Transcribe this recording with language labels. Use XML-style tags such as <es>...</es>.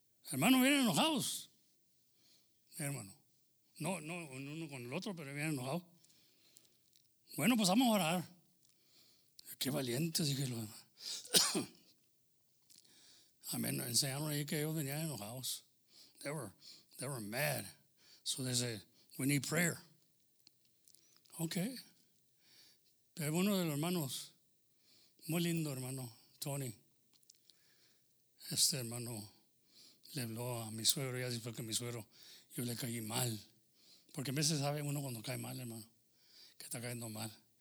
<es>Hermano, vienen enojados. Hermano. No uno con el otro, pero vienen enojados. Bueno, pues vamos a orar. Qué valientes, dije los demás. Amén. Enseñaron ahí que ellos venían enojados.</es> <en>They were mad. So they said, we need prayer. Okay.</en> <es>Pero uno de los hermanos, muy lindo hermano, Tony. Este hermano le habló a mi suegro, ya después que mi suegro, yo le caí mal. Porque a veces sabe uno cuando cae mal, hermano, que está cayendo mal.</es>